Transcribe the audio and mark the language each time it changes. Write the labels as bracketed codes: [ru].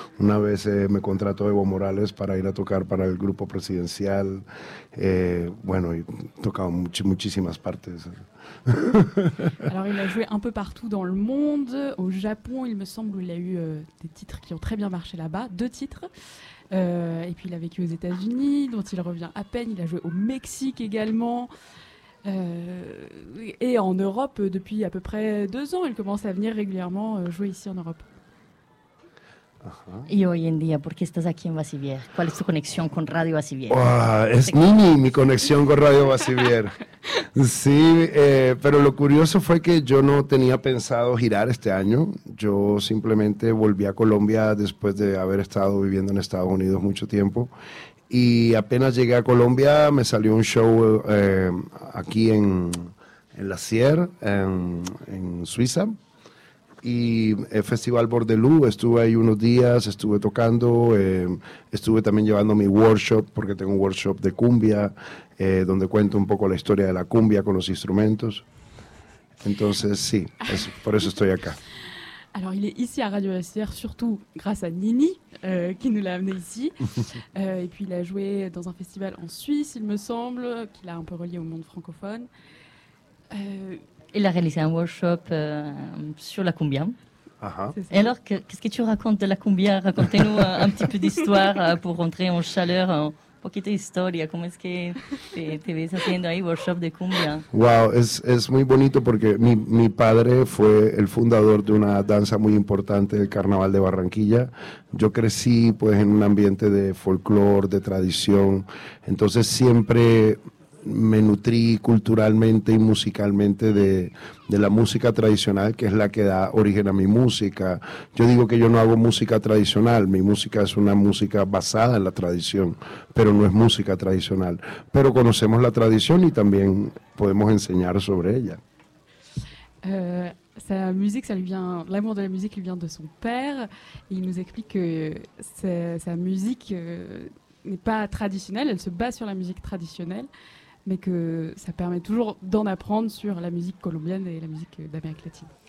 [es] Una vez me contrató Evo Morales para ir a tocar para el grupo presidencial, bueno, y he tocado muchísimas partes. [fr] Alors, il a joué un peu partout dans le monde, au Japon, il me semble, où il a eu des titres qui ont très bien marché là-bas, 2 titres. Et puis, il a vécu aux États-Unis, dont il revient à peine. Il a joué au Mexique également. Et en Europe, depuis à peu près 2 ans, il commence à venir régulièrement jouer ici en Europe. [es] Y hoy en día, ¿por qué estás aquí en Basivier? ¿Cuál es tu conexión con Radio Basivier? Es mi conexión con Radio Basivier. Sí, pero lo curioso fue que yo no tenía pensado girar este año. Yo simplemente volví a Colombia después de haber estado viviendo en Estados Unidos mucho tiempo. Y apenas llegué a Colombia, me salió un show aquí en La Sierre, en Suiza. Y el Festival Bordelú, estuve ahí unos días, estuve tocando, estuve también llevando mi workshop, porque tengo un workshop de cumbia, donde cuento un poco la historia de la cumbia con los instrumentos. Entonces, sí, por eso estoy acá. [fr] Alors, il est ici à Radio SCR, surtout grâce à Nini, qui nous l'a amené ici. Et puis, il a joué dans un festival en Suisse, il me semble, qu'il a un peu relié au monde francophone. Il a réalisé un workshop sur la cumbia. Et alors, qu'est-ce que tu racontes de la cumbia? Racontez-nous un petit peu d'histoire pour rentrer en chaleur, [es] un poquito de historia. ¿Cómo es que te ves haciendo ahí workshop de cumbia? Wow, es muy bonito porque mi padre fue el fundador de una danza muy importante, el Carnaval de Barranquilla. Yo crecí pues en un ambiente de folclore, de tradición. Entonces siempre me nutrí culturalmente y musicalmente de la música tradicional, que es la que da origen a mi música. Yo digo que yo no hago música tradicional, mi música es una música basada en la tradición, pero no es música tradicional. Pero conocemos la tradición y también podemos enseñar sobre ella. [fr] Sa musique, ça lui vient, l'amour de la musique lui vient de son père, et il nous explique que sa musique n'est pas traditionnelle, elle se base sur la musique traditionnelle, mais que ça permet toujours d'en apprendre sur la musique colombienne et la musique d'Amérique latine.